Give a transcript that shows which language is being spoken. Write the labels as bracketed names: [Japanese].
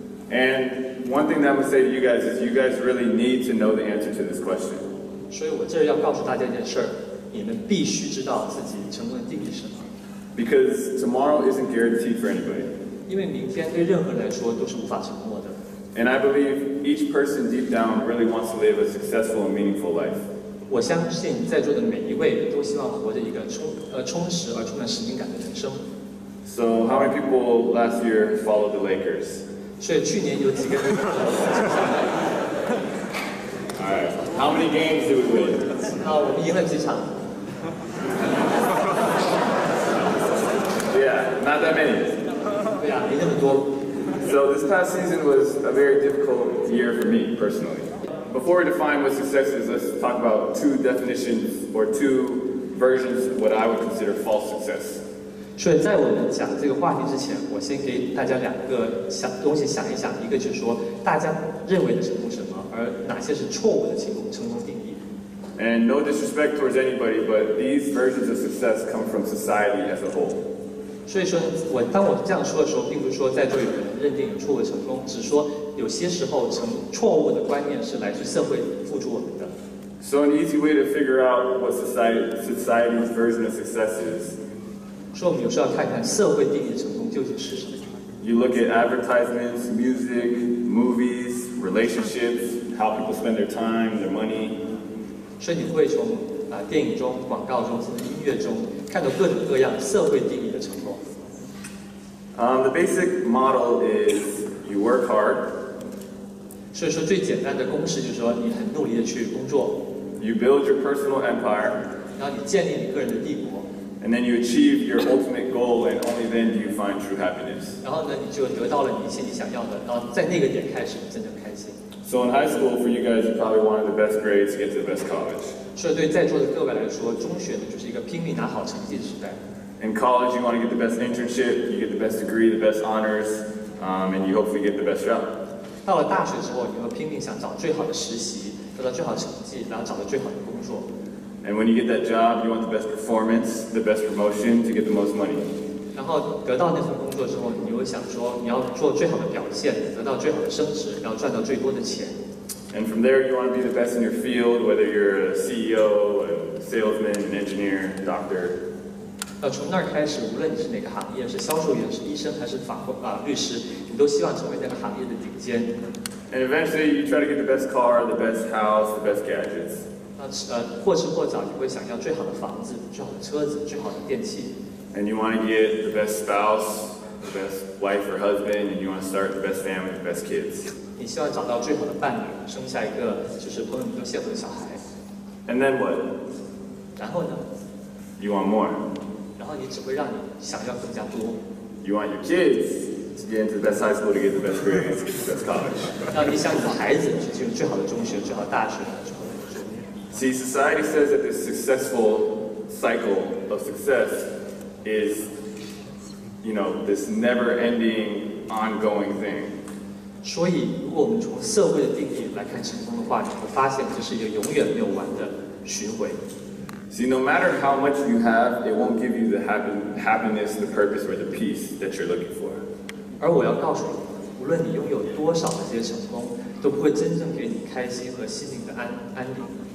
[English] And one thing that I would say to you guys is you guys really need to know the answer to this question. [Chinese] 所以我这要告诉大家一件事，你们必须知道自己成功的定义是什么。 [English] Because tomorrow isn't guaranteed for anybody. [Chinese] 因为明天对任何人来说都是无法承诺的。 [English] And I believe each person deep down really wants to live a successful and meaningful life. [Chinese] 我相信在座的每一位都希望活着一个 充实而充满使命感的人生。 [English] So how many people last year followed the Lakers? [Chinese] 所以去年有几个人 [English] ？Alright, how many games did we win? [Chinese] 我们赢了几场 [English] ？Yeah, not that many. [Chinese] 对呀，没那么多。 [English] So this past season was a very difficult year for me personally. Before we define what success is, let's talk about two definitions or two versions of what I would consider false success. [Chinese] 所以在我们讲这个话题之前，我先给大家两个东西想一想。一个就是说，大家认为的成功什么，而哪些是错误的成功定义。 [English] And no disrespect towards anybody, but these versions of success come from society as a whole. [Chinese] 所以说我当我这样说的时候，并不是说在座有人认定有错误成功，只是说有些时候错误的观念是来自社会付出我们的。 [English] So an easy way to figure out what society's version of success is. [Chinese] 所以我们有时候要看看社会定义的成功究竟是什么。 [English] You look at advertisements, music, movies, relationships, how people spend their time, their money. [Chinese] 所以你会从电影中、广告中、甚至音乐中看到各种各样社会定义的成功。 [English] The basic model is you work hard. [Chinese] 所以说最简单的公式就是说你很努力的去工作。 [English] You build your personal empire. [Chinese] 然后你建立你个人的帝国。 [English] And then you achieve your ultimate goal, and only then do you find true happiness. [Chinese] 然后呢，你就得到了一切你想要的，然后在那个点开始真正开心。 [English] So in high school, for you guys, you probably wanted the best grades to get to the best college. [Chinese] 所以对在座的各位来说，中学呢就是一个拼命拿好成绩的时代。 [English] In college, you want to get the best internship, you get the best degree, the best honors, and you hopefully get the best job. [Chinese] 到了大学之后，你会拼命想找最好的实习，得到最好的成绩，然后找到最好的工作。 [English] And when you get that job, you want the best performance, the best promotion to get the most money. [Chinese] 然后得到那份工作之后，你会想说你要做最好的表现，得到最好的升职，然后赚到最多的钱。 [English] And from there, you want to be the best in your field, whether you're a CEO, a salesman, an engineer, a doctor. [Chinese] 从那儿开始，无论你是哪个行业，是销售员，是医生，还是律师，你都希望成为那个行业的顶尖。 [English] And eventually, you try to get the best car, the best house, the best gadgets. [Chinese] 或迟或早，你会想要最好的房子、最好的车子、最好的电器。 [English] And you want to get the best spouse, the best wife or husband, and you want to start the best family, the best kids. [Chinese] 你希望找到最好的伴侣，生下一个就是朋友们都羡慕的小孩。 [English] And then what? [Chinese] 然后呢？ [English] You want more. [Chinese] 然后你只会让你想要更加多。 [English] You want your kids to get into the best high school to get the best grades, best college. [Chinese] 然后你想你的孩子去进入最好的中学、最好的大学、最好的职业。 [English] See, society says that this successful cycle of success is, you know, this never-ending, ongoing thing. [Chinese] 所以，如果我们从社会的定义来看成功的话，你会发现这是一个永远没有完的巡回。 [English] See, no matter how much you have, it won't give you the happiness, the purpose, or the peace that you're looking for. [Chinese] 而我要告诉你，无论你拥有多少的这些成功，都不会真正给你开心和心灵的安定。